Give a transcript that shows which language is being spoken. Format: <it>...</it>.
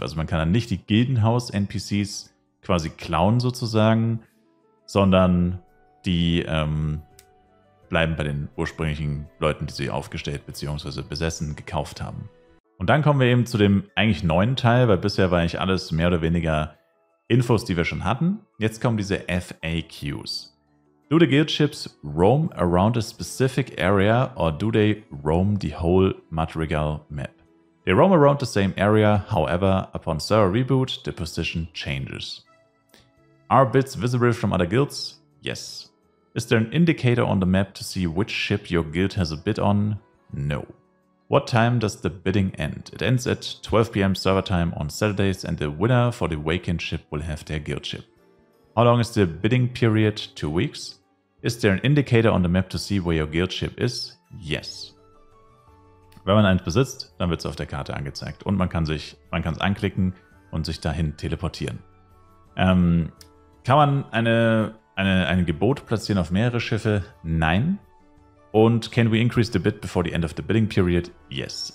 <de>Also man kann dann nicht die Gildenhaus-NPCs quasi klauen sozusagen, sondern die bleiben bei den ursprünglichen Leuten, die sie aufgestellt bzw. besessen, gekauft haben. Und dann kommen wir eben zu dem eigentlich neuen Teil, weil bisher war eigentlich alles mehr oder weniger Infos, die wir schon hatten. Jetzt kommen diese FAQs.</de> <en>Do the guild ships roam around a specific area or do they roam the whole Madrigal map? They roam around the same area, however, upon server reboot, the position changes. Are bits visible from other guilds? Yes. Is there an indicator on the map to see which ship your guild has a bid on? No. What time does the bidding end? It ends at 12 PM server time on Saturdays and the winner for the vacant ship will have their guild ship. How long is the bidding period? 2 weeks. Is there an indicator on the map to see where your guild ship is? Yes.</en> <de>Wenn man eins besitzt, dann wird es auf der Karte angezeigt. Und man kann es anklicken und sich dahin teleportieren. Kann man ein Gebot platzieren auf mehrere Schiffe? Nein.</de> <en>Und can we increase the bid before the end of the bidding period? Yes.</en>